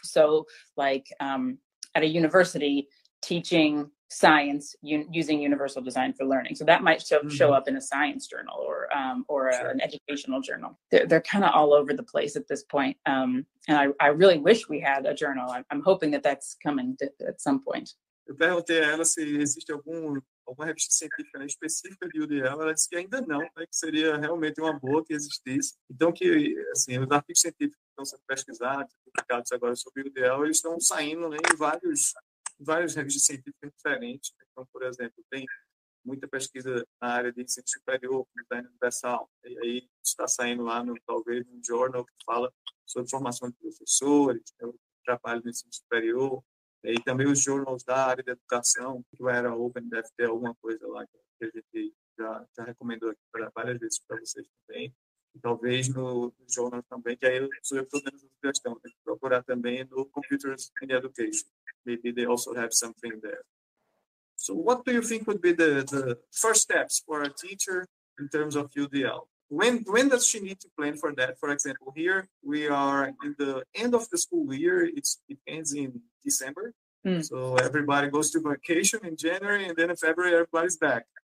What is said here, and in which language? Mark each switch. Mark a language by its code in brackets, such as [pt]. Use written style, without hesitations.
[en] So like at a university, teaching science using universal design for learning. So that might show up in a science journal or an educational journal. They're kind of all over the place at this point. And I really wish we had a journal. I'm hoping that that's coming at some point. [pt] Eu perguntei a ela se existe alguma revista científica, né, específica de UDL. Ela disse que ainda não, né, que seria realmente uma boa que existisse. Então, que assim, os artigos científicos que estão sendo pesquisados, publicados agora sobre UDL, eles estão saindo, né, em várias revistas científicas diferentes. Então, por exemplo, tem muita pesquisa na área de ensino superior, no design universal, e aí está saindo lá, talvez, um journal que fala sobre formação de professores, né, trabalho no ensino superior, e também os journals da área da educação, que era Open, deve ter alguma coisa lá que a gente já recomendou aqui para várias vezes para vocês também, e talvez no journal também, que aí eu sou eu que estou dando sugestão, tem que procurar também no Computers in Education. [en] Maybe they also have something there. So what do you think would be the first steps for a teacher in terms of UDL? When does she need to plan for that? For example, here we are in the end of the school year. It ends in December. Mm. So everybody goes to vacation in January, and then in February, everybody's back.